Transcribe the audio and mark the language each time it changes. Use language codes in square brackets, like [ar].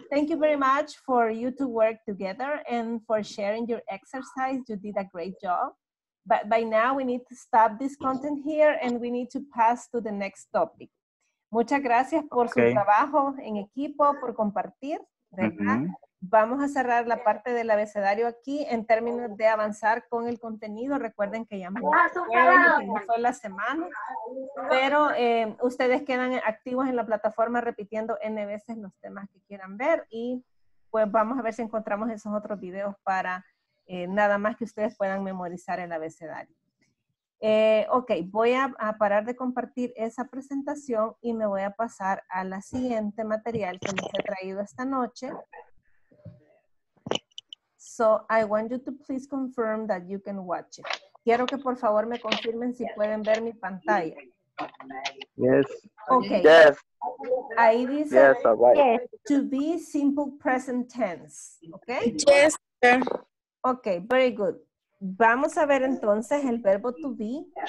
[en] Thank you very much for you to work together and for sharing your exercise. You did a great job. But by now we need to stop this content here and we need to pass to the next topic. [es] Muchas gracias por okay. Su trabajo en equipo, por compartir, ¿verdad? Mm-hmm. Vamos a cerrar la parte del abecedario aquí en términos de avanzar con el contenido. Recuerden que ya empezó la semana, pero ustedes quedan activos en la plataforma repitiendo N veces los temas que quieran ver y pues vamos a ver si encontramos esos otros videos para nada más que ustedes puedan memorizar el abecedario. Ok, voy a parar de compartir esa presentación y me voy a pasar a la siguiente material que les he traído esta noche. [en] So, I want you to please confirm that you can watch it. [es] Quiero que por favor me confirmen si pueden ver mi pantalla. [en] Yes. Okay. Yes. [es] Ahí dice, [en] yes, right. To be simple present tense. Okay? Yes. Okay, very good. [es] Vamos a ver entonces el verbo to be.